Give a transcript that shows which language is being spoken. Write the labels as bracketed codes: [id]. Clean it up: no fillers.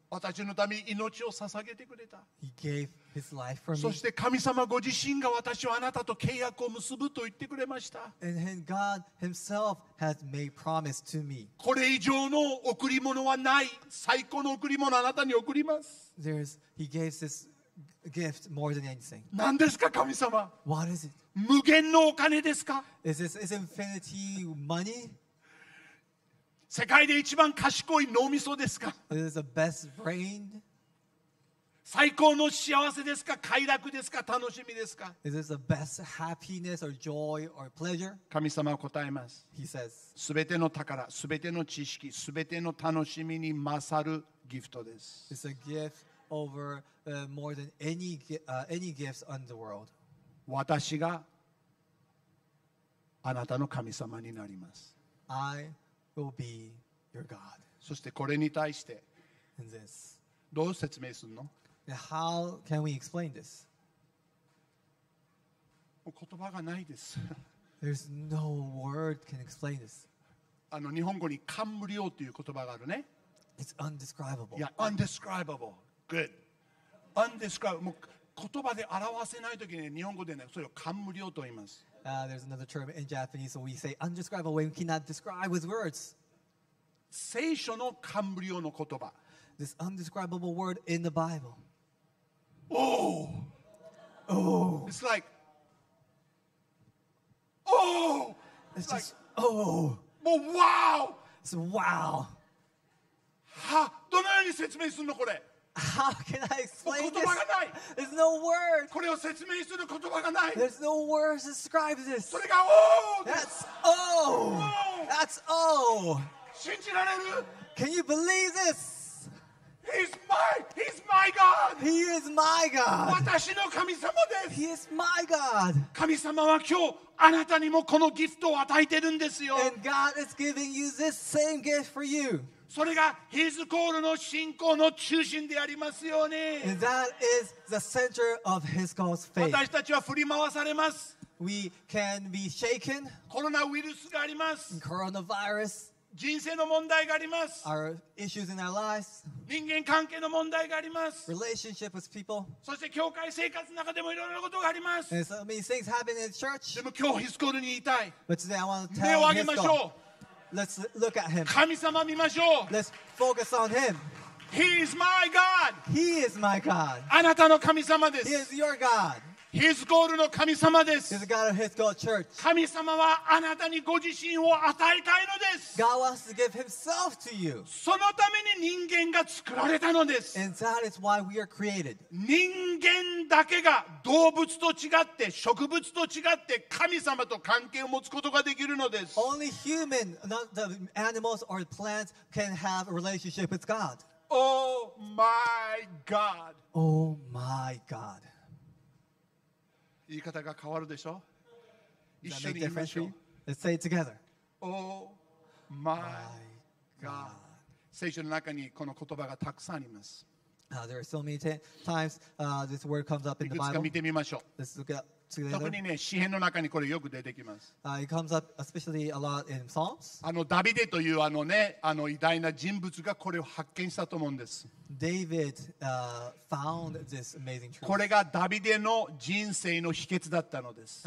[ja] 私のために命を捧げてくれた。 [en] He gave his life for me. [ja] そして神様ご自身が私はあなたと契約を結ぶと言ってくれました。 [en] And then God himself has made promise to me. [ja] これ以上の贈り物はない。最高の贈り物をあなたに贈ります。 [en] He gave this gift more than anything. [ja] 何ですか神様。 [en] What is it? [ja] 無限のお金ですか。 [en] Is infinity money? [ja] 世界で一番賢い脳みそですか。 [en] It is the best brain. [ja] 最高の幸せですか。快楽ですか。楽しみですか。 [en] Is this the best happiness or joy or pleasure? [ja] 神様は答えます。 [en] He says. [ja] 全ての宝、全ての知識、全ての楽しみに勝るギフトです。 [en] It's a gift over more than any gifts in the world. [ja] 私があなたの神様になります。 [en] Will be your God. [ja] そしてこれに対してどう説明するの？ [en] How can we explain this? [ja] 言葉がないです。 [en] There's no word can explain this. [ja] 日本語に感無量という言葉があるね。 [en] It's undescribable. Yeah, undescribable. Good. Undescribable. [ja] 言葉で表せないときに日本語でね、それを感無量と言います。 [en] There's another term in Japanese, so we say undescribable, when we cannot describe with words. [ja] 聖書の感無量の言葉。 [en] This undescribable word in the Bible. Oh! Oh! It's like, oh! It's like, just, oh! Well, wow! It's wow! [ja] どのように説明するのこれ？ [en] How can I explain this? [ja] 言葉がない。 [en] There's no word. [ja] これを説明する言葉がない。 [en] There's no word to describe this. [ja] それが oh! [en] That's oh! oh! That's oh! [ja] 信じられる? [en] Can you believe this? He's my God! He is my God! [ja] 私の神様です。 [en] He is my God! [ja] 神様は今日あなたにもこのギフトを与えてるんですよ。 [en] And God is giving you this same gift for you. [ja] それがヒズコールの信仰の中心でありますよね。 [en] That is the center of his call's faith. [ja] 私たちは振り回されます。 [en] We can be shaken. [ja] コロナウイルスがあります。 [en] Coronavirus. [ja] 人生の問題があります。 [en] Our issues in our lives. [ja] 人間関係の問題があります。 [en] Relationship with people. [ja] そして教会生活の中でもいろいろなことがあります。 [en] And so many things happen in the church. [ja] でも今日ヒズコールに言いたい。 [en] But today I want to tell you this call. Let's look at him. [ja] 神様見ましょう。 [en] Let's focus on him. He is my God. He is my God. [ja] あなたの神様です。 [en] He is your God. He is God [ja] の神様です。 [en] He is God of His God Church. [ja] 神様はあなたにご自身を与えたいのです。 [en] God wants to give Himself to you. [ja] そのために人間が作られたのです。 [en] And that is why we are created. [ja] 人間だけが動物と違って植物と違って神様と関係を持つことができるのです。 [en] Only human, not the animals or plants, can have a relationship with God. Oh my God. Oh my God. [ja] 言い方が変わるでしょ。一緒に言いましょう。 [en] Let's say it together. Oh my God. [ja] 聖書の中にこの言葉がたくさんあります。 [en] There are so many times this word comes up in the Bible. [ja] いくつか見てみましょう。 [en] Let's look at together. [ja] 特にね、詩篇の中にこれよく出てきます。 [en] It comes up especially a lot in Psalms. [ja] ダビデというあの偉大な人物がこれを発見したと思うんです。 [en] David found this amazing truth. [ja] これがダビデの人生の秘訣だったのです。